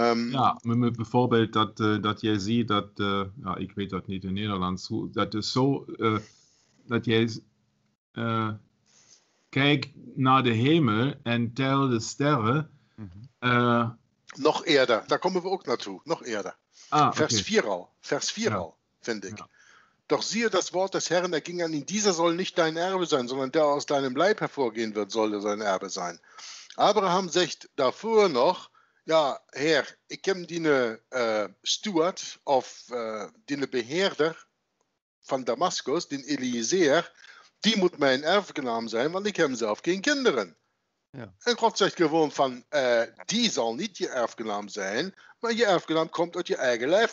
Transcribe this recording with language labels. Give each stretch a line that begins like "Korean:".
Dutch: Ja, met bijvoorbeeld dat jij ziet dat, ja, ik weet dat niet in Nederlands, dat is zo, dat jij... kijk naar de hemel en tel de sterren. Nog eerder, daar komen we ook naartoe. Nog eerder. Vers 4 al. Vers 4 al, vind ik. Ja.
German: Doch siehe, das Wort des Herrn erging an ihn. Dieser soll nicht dein Erbe sein, sondern der aus deinem Leib hervorgehen wird, soll sein Erbe sein.
Dutch: Abraham zegt daarvoor nog: ja, Herr, ik heb diene steward of diene beheerder van Damascus, den Eliezer. Die moet mijn erfgenaam zijn, want ik heb zelf geen kinderen. Ja. En God zegt gewoon van, die zal niet je erfgenaam zijn, maar je erfgenaam komt uit je eigen lijf.